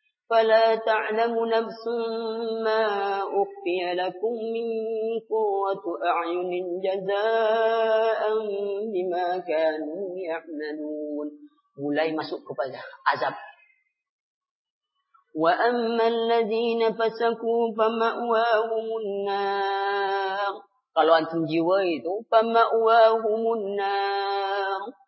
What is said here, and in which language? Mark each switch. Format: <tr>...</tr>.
<ar>فلا تعلم نفس ما أخفي لكم من قوة أعين جزاء بما كانوا يعملون.</ar> <id>Mulai masuk kepada azab.</id> <ar>وأما الذين فسقوا فمأواهم النار.</ar> <id>Kalau antum jiwa itu,</id> <ar>فمأواهم النار.</ar>